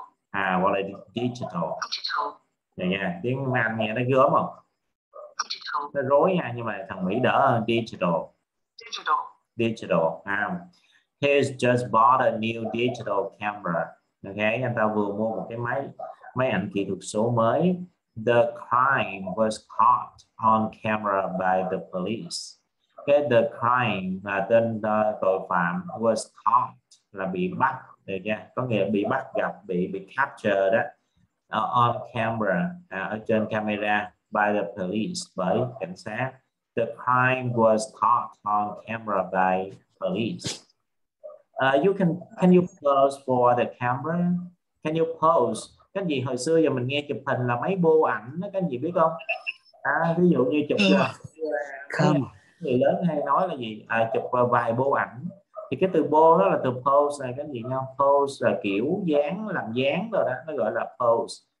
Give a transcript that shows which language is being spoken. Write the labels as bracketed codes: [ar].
[vi] À gọi là digital. Này nha, tiếng Anh nghe nó gớm không? Nó rối nha, nhưng mà thằng Mỹ đỡ hơn, digital. Digital. [en] He's just bought a new digital camera. [vi] Okay, anh ta vừa mua một cái máy máy ảnh kỹ thuật số mới. [en] The crime was caught on camera by the police. [vi] Cái the crime là tên tội phạm, was caught là bị bắt, được chưa? Có nghĩa là bị bắt gặp, bị capture đó. On camera, ở trên camera, [en] by the police, [vi] bởi cảnh sát. [en] The crime was caught on camera by police. Can you pose for the camera? Can you pose? [vi] Các anh chị hồi xưa giờ mình nghe chụp hình là máy bô ảnh đó, các anh chị biết không? À, ví dụ như chụp mấy [en] Come. [vi] người lớn hay nói là gì? À, chụp vài bô ảnh. Thì cái từ bô đó là từ pose này, các anh chị nhau. Pose là kiểu dáng, làm dáng rồi đó, nó gọi là pose.